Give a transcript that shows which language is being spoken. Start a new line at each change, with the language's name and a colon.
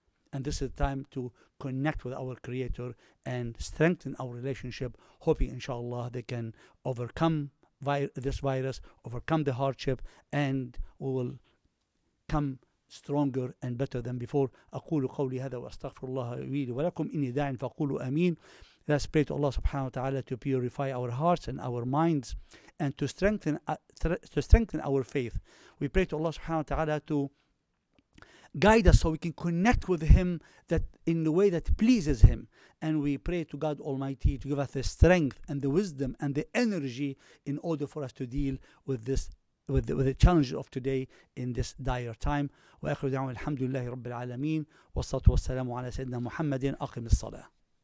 English: And this is the time to connect with our Creator and strengthen our relationship, hoping inshallah they can overcome this virus, overcome the hardship, and we will come stronger and better than before.
Arabic: أقول قولي هذا وأستغفر الله لي ولكم إني داع فقولوا آمين.
English: Let's pray to Allah
Arabic: subhanahu wa ta'ala
English: to purify our hearts and our minds and to strengthen our faith. We pray to Allah
Arabic: subhanahu wa ta'ala
English: to guide us so we can connect with Him that in the way that pleases Him. And we pray to God Almighty to give us the strength and the wisdom and the energy in order for us to deal with this with the challenges of today in this dire time.
Arabic: وآخر دعوانا الحمد لله رب العالمين والصلاة والسلام على سيدنا محمد أقم الصلاة.